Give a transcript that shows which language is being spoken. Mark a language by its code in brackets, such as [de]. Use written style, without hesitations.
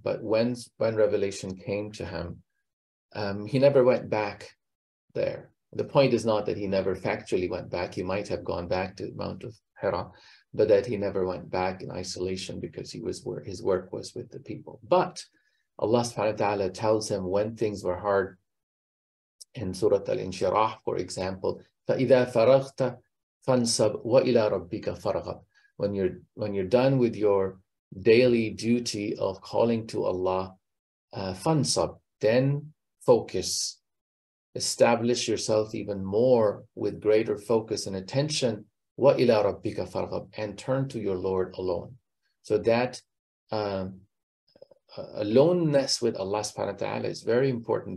[en] But when revelation came to him, he never went back there. The point is not that he never factually went back. He might have gone back to the Mount of Hira, but that he never went back in isolation because his work was with the people. But Allah subhanahu wa ta'ala tells him when things were hard. In Surah Al-Inshirah, for example, [ar] فَإِذَا فَرَغْتَ فَانْصَبْ وَإِلَىٰ رَبِّكَ فَرَغَبْ. [en] When you're done with your daily duty of calling to Allah, [ar] فَانْصَبْ, [en] then focus. Establish yourself even more with greater focus and attention. [ar] وَإِلَىٰ رَبِّكَ فَرْغَبْ, [en] and turn to your Lord alone. So that aloneness with Allah subhanahu wa ta'ala is very important.